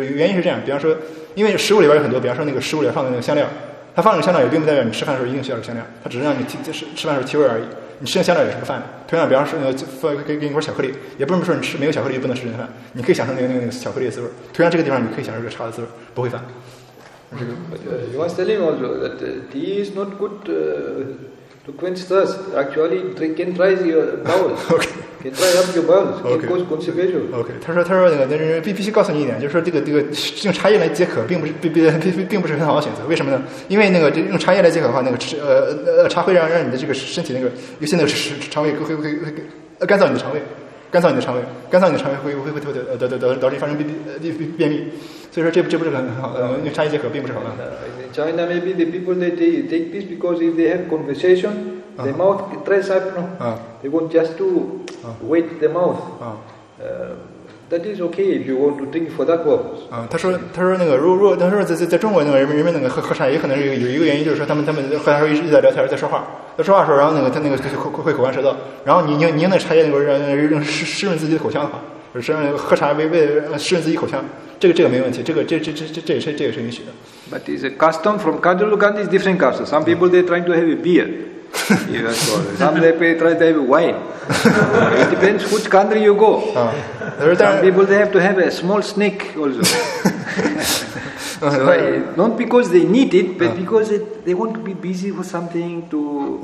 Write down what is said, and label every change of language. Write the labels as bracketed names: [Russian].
[Chinese] 原因是这样，比方说因为食物里边有很多，比方说那个食物里放的那个香料，它放的香料也并不代表你吃饭的时候一定需要香料，它只是让你吃饭的时候提味而已，你吃香料也是不犯的。同样，比方说给你一块巧克力，也不是说你吃没有巧克力不能吃这顿饭，你可以享受那个巧克力的滋味，同样这个地方你可以享受这个茶的滋味，不会犯。 [English] You are telling also that tea is not good to quench thirst. Actually, it can dry your bowels. Okay. Can dry up your bowels. Can cause constipation. Okay. [Chinese] 他说那个，但是必须告诉你一点，就是说这个用茶叶来解渴，并不是很好的选择。为什么呢？因为那个用茶叶来解渴的话，那个茶会让你的这个身体那个，尤其那个肠胃会干燥你的肠胃。干燥你的肠胃会特别导致发生便秘，所以说这不是很好，因为茶叶解渴并不是好办法。 [English] In China, maybe the people they take this because if they have conversation, the mouth dries up, no? They want just to wet the mouth. That is okay if you want to drink for that purpose. [Chinese] 他说那个如果他说在中国那个人们那个喝茶也可能有一个原因，就是说他们喝茶时候一直在聊天在说话。在说话的时候，然后那个他那个会口干舌燥，然后你用那茶叶那个让湿润自己的口腔的话，喝茶为湿润自己口腔，这个没问题，这也是允许的。 [English] But it's a custom from Kadalu Gandhi, it's different custom. Some people, they're trying to have a beer. Some people try to have wine. It depends which country you go. Some people, they have to have a small snake also. So not because they need it, but because they want to be busy with something to...